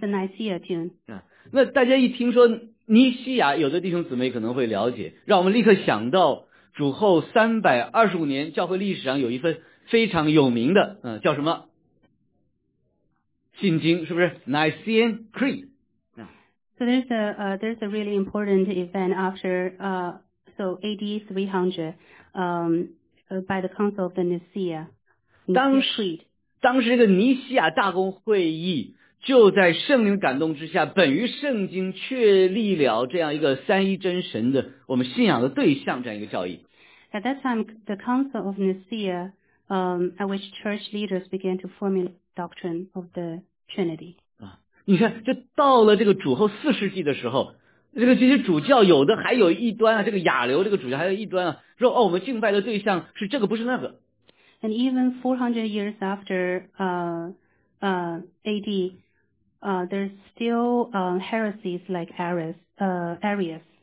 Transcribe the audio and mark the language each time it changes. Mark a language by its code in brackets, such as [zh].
[en] the Nicaea tune. [zh] 那大家一听说尼西亚，有的弟兄姊妹可能会了解，让我们立刻想到主后325年教会历史上有一份非常有名的，叫什么？信经是不是 ？Nicene Creed. [en] So there's a really important event after AD 300, by the Council of the Nicaea. [zh] 当时这个尼西亚大公会议就在圣灵感动之下，本于圣经确立了这样一个三一真神的我们信仰的对象这样一个教义。 [en] At that time, the Council of Nicaea, at which church leaders began to formulate doctrine of the Trinity. [zh] 你看，这到了这个主后四世纪的时候，这些主教有的还有异端啊，这个亚流这个主教还有异端啊，说哦，我们敬拜的对象是这个，不是那个。 [en] And even 400 years after AD, there's still heresies like Arius.